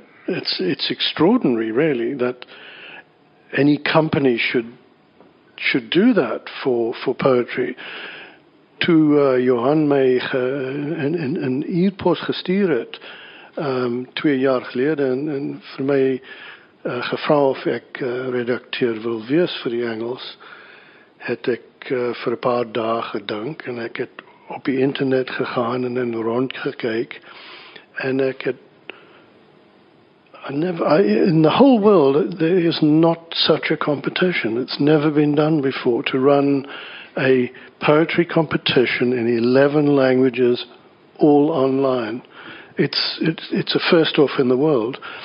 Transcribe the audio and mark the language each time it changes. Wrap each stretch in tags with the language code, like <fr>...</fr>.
<en>It's extraordinary, really, that any company should do that for poetry.</en> <af>Toe Johan my in e-post gestuur het 2 jaar gelede en vir my gevra of ek redakteur wil wees vir die Engels, het ek vir 'n paar dae gedink en ek het op die internet gegaan en in rond gekyk en ek het</af> <en>in the whole world there is not such a competition. It's never been done before to run a poetry competition in 11 languages, all online. It's a first off in the world.</en>